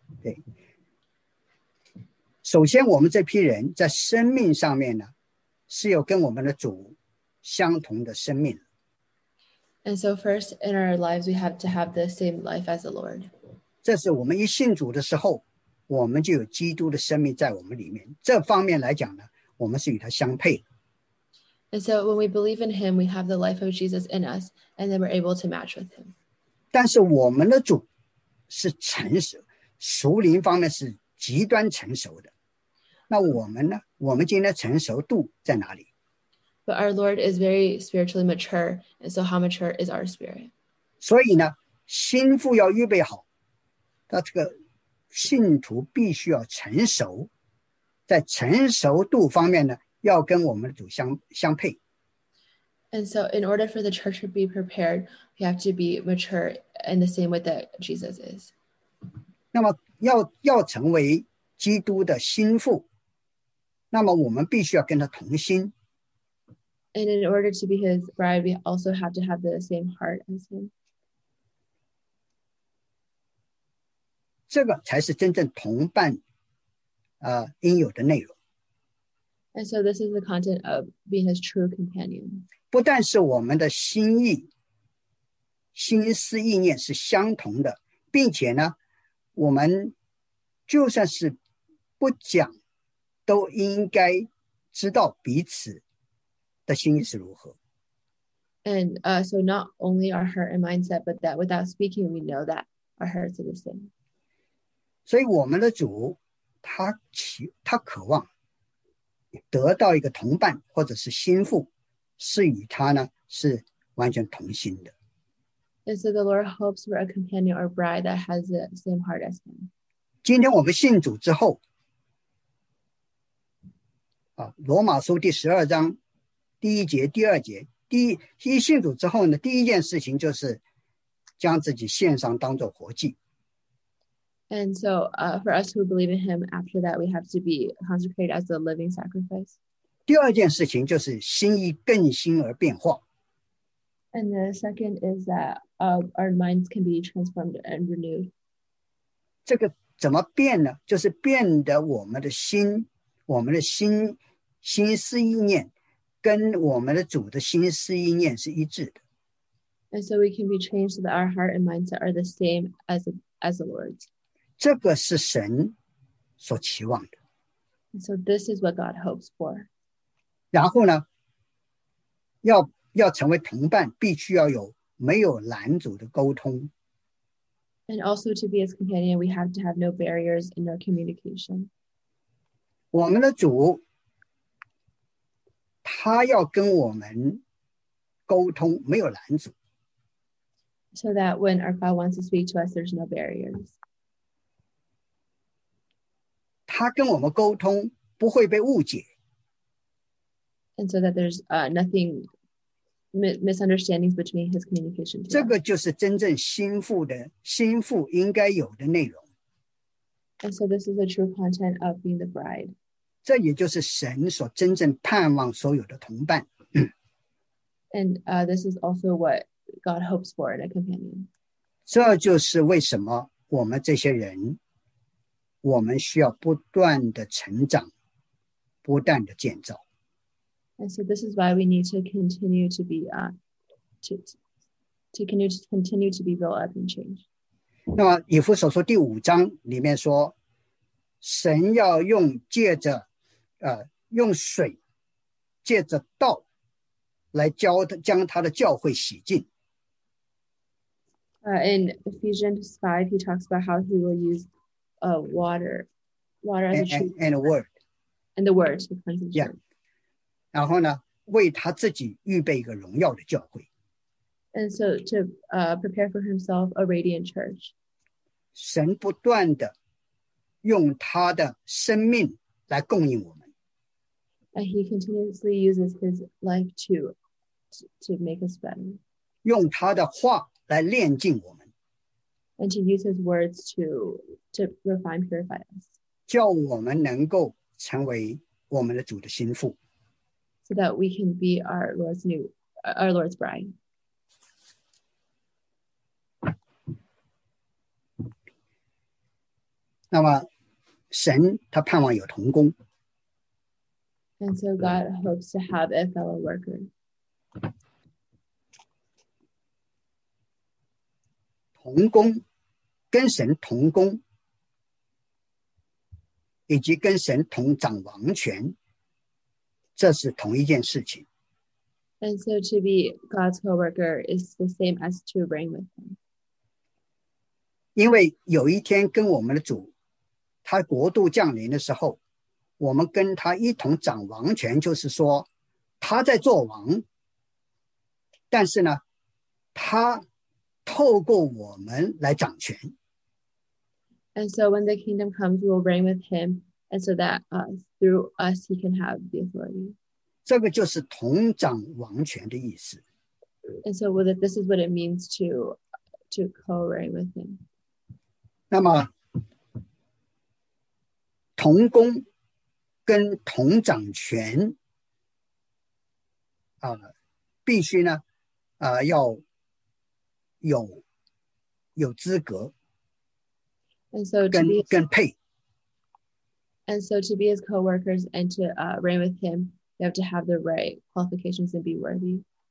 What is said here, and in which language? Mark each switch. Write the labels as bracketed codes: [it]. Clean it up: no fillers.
[zh] 对，首先我们这批人在生命上面呢，是有跟我们的主相同的生命。 [en] And so first in our lives, we have to have the same life as the Lord. [zh] 这是我们一信主的时候，我们就有基督的生命在我们里面。这方面来讲呢，我们是与他相配。 [en] And so when we believe in him, we have the life of Jesus in us, and then we're able to match with him. [zh] 但是我们的主是诚实，属灵方面是极端成熟的，那我们呢？我们今天成熟度在哪里？ [en] But our Lord is very spiritually mature, and so how mature is our spirit? [zh] 所以呢，心腹要预备好，那这个信徒必须要成熟，在成熟度方面呢，要跟我们的主相配。 [en] And so in order for the church to be prepared, we have to be mature in the same way that Jesus is. [zh] 那么要成为基督的心腹，那么我们必须要跟他同心。 [en] And in order to be his bride, we also have to have the same heart as him. [zh] 这个才是真正同伴应有的内容。 [en] And so this is the content of being his true companion. [zh] 不但是我们的心意、心思意念是相同的，并且呢，我们就算是不讲，都应该知道彼此的心意是如何。 [en] And so not only our heart and mindset, but that without speaking, we know that our hearts are the same. [zh] 所以我们的主，他渴望得到一个同伴或者是心腹，是与他呢是完全同心的。 [en] And so the Lord hopes for a companion or bride that has the same heart as him. [zh] 今天我们信主之后，罗马书第十二章第一节、第二节，一信主之后呢，第一件事情就是将自己献上当作活祭。 [en] And so, for us who believe in him, after that we have to be consecrated as a living sacrifice. [zh] 第二件事情就是心意更新而变化。 [en] And the second is that our minds can be transformed and renewed. [zh] 这个怎么变呢？就是变得我们的心，我们的心思意念跟我们的主的心思意念是一致的。 [en] And so we can be changed so that our heart and mindset are the same as the Lord's. [zh] 这个是神所期望的。 [en] And so this is what God hopes for. [zh] 然后呢，要成为同伴，必须要有没有拦阻的沟通。 [en] And also to be his companion, we have to have no barriers in our communication. [zh] 我们的主，他要跟我们沟通，没有拦阻。 [en] So that when our God wants to speak to us, there's no barriers. [zh] 他跟我们沟通，不会被误解。 [en] And so that there's nothing misunderstandings between his communication to us. [zh] 这个就是真正心腹应该有的内容。 [en] And so this is the true content of being the bride. [zh] 这也就是神所真正盼望所有的同伴。 [en] And this is also what God hopes for in a companion. [zh] 这就是为什么我们这些人，我们需要不断的成长，不断的建造。 [en] And so this is why we need to continue to be to continue to be built up and changed. [zh] 那么以弗所书第五章里面说，神要用借着用水借着道来教他将他的教会洗净。 [en] In Ephesians 5, he talks about how he will use water as a truth. And a word. And the word to cleanse the church. [zh] 然后呢，为他自己预备一个荣耀的教会。 [en] And so to prepare for himself a radiant church. [zh] 神不断的用他的生命来供应我们。 [en] And he continuously uses his life to make us better. [zh] 用他的话来炼净我们。 [en] And to use his words to refine, purify us. [zh] 叫我们能够成为我们的主的心腹。 [en] So that we can be our Lord's bride. [zh] 那么神他盼望有同工。 [en] And so God hopes to have a fellow worker. [zh] 同工，跟神同工，以及跟神同掌王权。这是同一件事情。 [en] And so to be God's co-worker is the same as to reign with him. [zh] 因为有一天跟我们的主，他国度降临的时候，我们跟他一同掌王权，就是说，他在做王，但是呢，他透过我们来掌权。 [en] And so when the kingdom comes, we will reign with him. And so that through us, he can have the authority. [zh] 这个就是同掌王权的意思。 [en] And so with it, this is what it means to co-reign with him. [zh] 那么同工跟同掌权必须呢要有资格。 [en] And so [zh] 跟配。 [en] And so to be his co-workers and to reign with him, you have to have the right qualifications and be worthy.